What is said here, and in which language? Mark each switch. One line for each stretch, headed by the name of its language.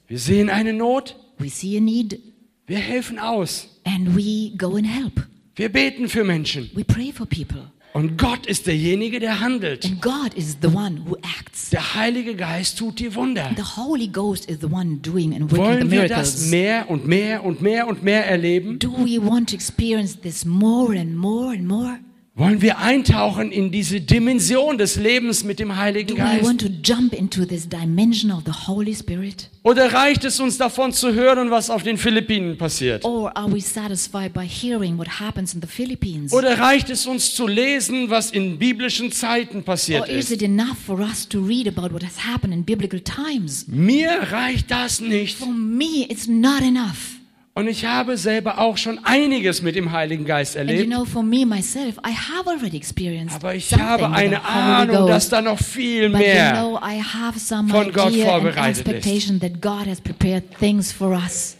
German: wir sehen eine Not,
English: we see a need,
German: wir helfen aus,
English: and we go and help,
German: wir beten für Menschen,
English: we pray for people.
German: Und Gott ist derjenige, der handelt.
English: And God is the one who acts.
German: Der Heilige Geist tut die Wunder.
English: The Holy Ghost is the one doing and working
German: Wollen wir das mehr und mehr und mehr und mehr erleben?
English: Do we want to experience this more and more and more?
German: Wollen wir eintauchen in diese Dimension des Lebens mit dem Heiligen Geist?
English: Do we want to jump into this dimension of the Holy Spirit?
German: Oder reicht es uns davon zu hören, was auf den Philippinen passiert?
English: Or are we satisfied by hearing what happens in the Philippines?
German: Oder reicht es uns zu lesen, was in biblischen Zeiten passiert ist?
English: Or is it enough for us to read about what has happened in biblical times?
German: Mir reicht das nicht.
English: For me it's not enough.
German: Und ich habe selber auch schon einiges mit dem Heiligen Geist erlebt.
English: And you know, for me, myself, I have already experienced
German: aber ich habe eine Ahnung, dass da noch viel mehr von Gott vorbereitet ist.